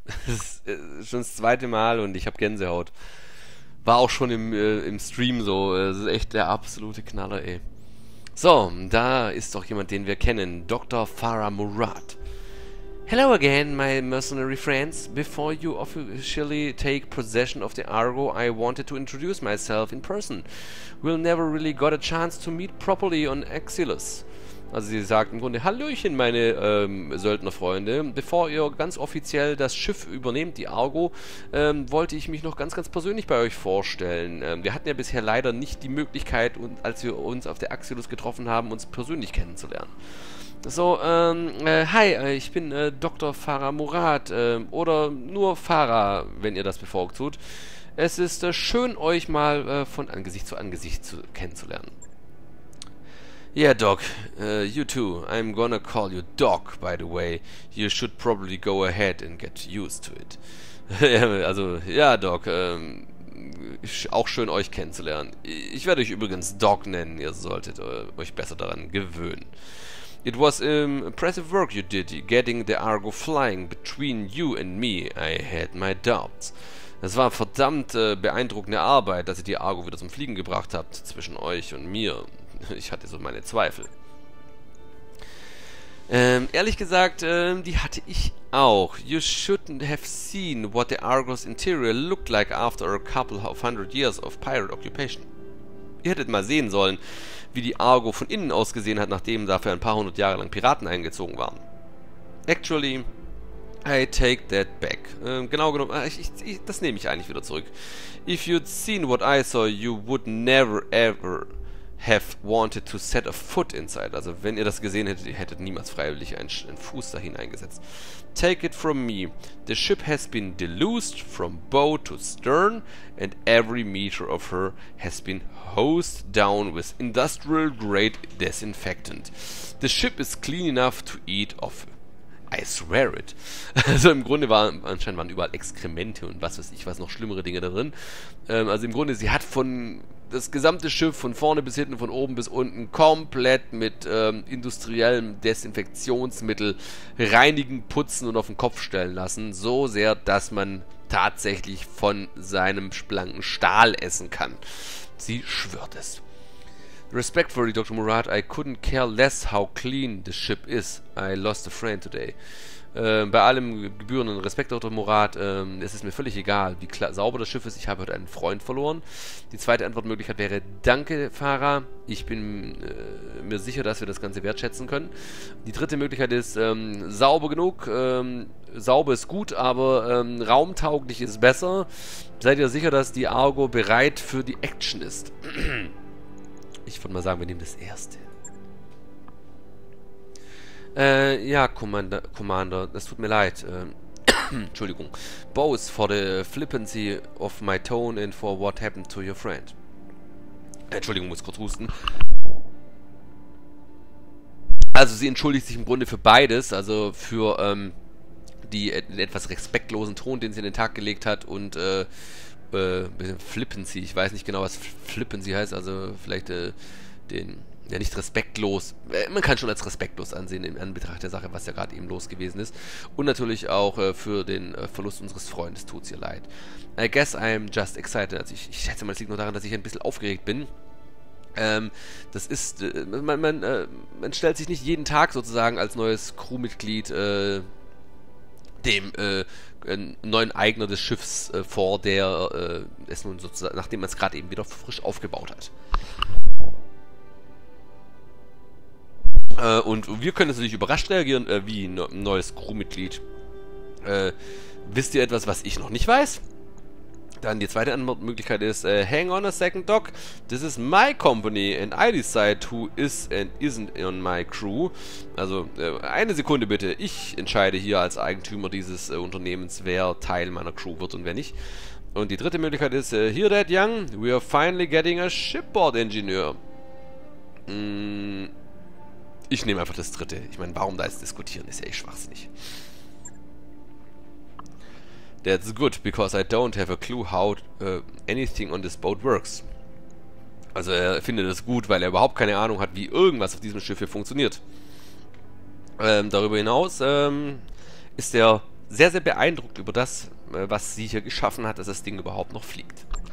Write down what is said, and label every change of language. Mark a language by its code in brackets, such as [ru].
[de] Das ist schon das zweite Mal und ich habe Gänsehaut. War auch schon im Stream so. Das ist echt der absolute Knaller, ey. So, da ist doch jemand, den wir kennen. [en] Dr. Farah Murad. Hello again, my mercenary friends. Before you officially take possession of the Argo, I wanted to introduce myself in person. We'll never really got a chance to meet properly on Exilus. [de] Also sie sagt im Grunde, Hallöchen, meine Söldnerfreunde. Bevor ihr ganz offiziell das Schiff übernehmt, die Argo, wollte ich mich noch ganz, ganz persönlich bei euch vorstellen. Wir hatten ja bisher leider nicht die Möglichkeit, als wir uns auf der Axiolus getroffen haben, uns persönlich kennenzulernen. So, hi, ich bin Dr. Farah Murad, oder nur Farah, wenn ihr das bevorzugt tut. Es ist schön, euch mal von Angesicht zu Angesicht kennenzulernen. [en] Yeah, Doc. You too. I'm gonna call you Doc, by the way. You should probably go ahead and get used to it. [de] Also, ja, Doc. Auch schön, euch kennenzulernen. Ich werde euch übrigens Doc nennen. Ihr solltet euch besser daran gewöhnen. [en] It was impressive work you did, getting the Argo flying between you and me. I had my doubts. [de] Es war verdammt beeindruckende Arbeit, dass ihr die Argo wieder zum Fliegen gebracht habt, zwischen euch und mir. Ich hatte so meine Zweifel. Ehrlich gesagt, die hatte ich auch. [en] You shouldn't have seen what the Argo's interior looked like after a couple of hundred years of pirate occupation. [de] Ihr hättet mal sehen sollen, wie die Argo von innen ausgesehen hat, nachdem dafür ein paar hundert Jahre lang Piraten eingezogen waren. [en] Actually, I take that back. [de] Genau genommen, das nehme ich eigentlich wieder zurück. [en] If you'd seen what I saw, you would never ever have wanted to set a foot inside. [de] Also wenn ihr das gesehen hättet, ihr hättet niemals freiwillig einen Fuß da hineingesetzt. [en] Take it from me. The ship has been deluged from bow to stern and every meter of her has been hosed down with industrial grade disinfectant. The ship is clean enough to eat off. I swear it. [de] Also im Grunde waren anscheinend überall Exkremente und was weiß ich was noch schlimmere Dinge da drin. Also im Grunde, sie hat von das gesamte Schiff von vorne bis hinten, von oben bis unten, komplett mit industriellem Desinfektionsmittel reinigen, putzen und auf den Kopf stellen lassen. So sehr, dass man tatsächlich von seinem blanken Stahl essen kann. Sie schwört es. [en] Respectfully, Dr. Murad, I couldn't care less how clean the ship is. I lost a friend today. [de] Bei allem gebührenden Respekt, Dr. Murad, es ist mir völlig egal, wie sauber das Schiff ist. Ich habe heute einen Freund verloren. Die zweite Antwortmöglichkeit wäre, danke, Farah. Ich bin mir sicher, dass wir das Ganze wertschätzen können. Die dritte Möglichkeit ist, sauber genug. Sauber ist gut, aber raumtauglich ist besser. Seid ihr sicher, dass die Argo bereit für die Action ist? Ich würde mal sagen, wir nehmen das Erste. Ja, Commander, das tut mir leid. Entschuldigung. [en] Both for the flippancy of my tone and for what happened to your friend. [de] Entschuldigung, muss kurz husten. Also sie entschuldigt sich im Grunde für beides. Also für den etwas respektlosen Ton, den sie an den Tag gelegt hat. Und bisschen flippancy. Ich weiß nicht genau, was flippancy heißt. Also vielleicht den, ja nicht respektlos. Man kann schon als respektlos ansehen in Anbetracht der Sache, was ja gerade eben los gewesen ist. Und natürlich auch für den Verlust unseres Freundes tut es ihr leid. [en] I guess I'm just excited. [de] Also ich schätze mal, es liegt nur daran, dass ich ein bisschen aufgeregt bin. Das ist, man stellt sich nicht jeden Tag sozusagen als neues Crewmitglied dem neuen Eigner des Schiffs vor, der es nun sozusagen, nachdem man es gerade eben wieder frisch aufgebaut hat. Und wir können natürlich überrascht reagieren, wie ein neues Crewmitglied. Wisst ihr etwas, was ich noch nicht weiß? Dann die zweite Möglichkeit ist, [en] hang on a second, Doc. This is my company and I decide who is and isn't on my crew. [de] Also, eine Sekunde bitte. Ich entscheide hier als Eigentümer dieses Unternehmens, wer Teil meiner Crew wird und wer nicht. Und die dritte Möglichkeit ist, [en] here, Dad Young, we are finally getting a shipboard engineer. [de] Ich nehme einfach das dritte. Ich meine, warum da jetzt diskutieren? Ist ja echt schwachsinnig. [en] That's good, because I don't have a clue how anything on this boat works. [de] Also er findet es gut, weil er überhaupt keine Ahnung hat, wie irgendwas auf diesem Schiff hier funktioniert. Darüber hinaus ist er sehr, sehr beeindruckt über das, was sie hier geschaffen hat, dass das Ding überhaupt noch fliegt.